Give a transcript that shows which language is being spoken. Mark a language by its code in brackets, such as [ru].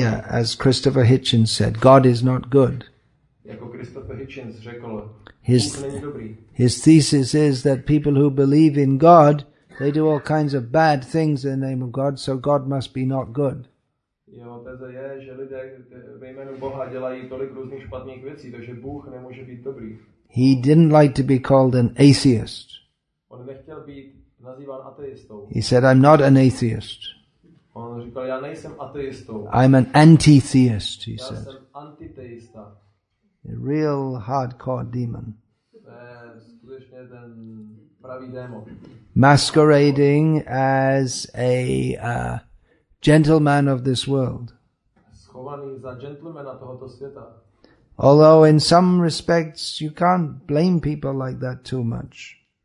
[en] Yeah, as Christopher Hitchens said, God is not good. [cs] Jako Christopher Hitchens řekl, [en] his thesis is that people who believe in God, they do all kinds of bad things in the name of God, so God must be not good. [cs] Jeho teze je, že lidé ve jménu Boha dělají tolik různých špatných věcí, takže Bůh nemůže být dobrý. [en] He didn't like to be called an atheist. [cs] On nechtěl být nazýván ateistou. [en] He said, I'm not an atheist. [cs] On říkal, já nejsem ateistou. [en] I'm an anti-theist, he [cs] já [en] said. [cs] Já jsem antiteista. [en] A real hardcore demon. [cs] To je skutečně ten pravý démon. [en] Masquerading as a gentleman of this world. [cs] Schovaný za gentlemana tohoto světa. [en] Although in some respects you can't blame people like that too much.